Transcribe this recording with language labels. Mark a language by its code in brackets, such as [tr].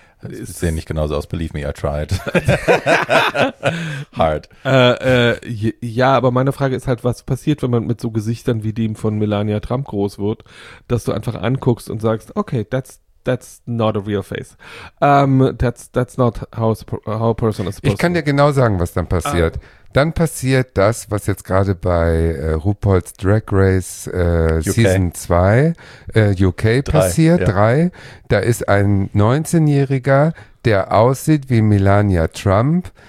[de] Sie sehen nicht genauso aus. [en] Believe me, I tried. Hard. [de] Ja, aber meine Frage ist halt, was passiert, wenn man mit so Gesichtern wie dem von Melania Trump groß wird, dass du einfach anguckst und sagst, okay, that's not a real face. [en] That's not how a person is supposed. [de] Ich kann dir genau sagen, was dann passiert. Dann passiert das, was jetzt gerade bei RuPaul's Drag Race Season 2 UK passiert, 3. Da ist ein 19-Jähriger, der aussieht wie Melania Trump.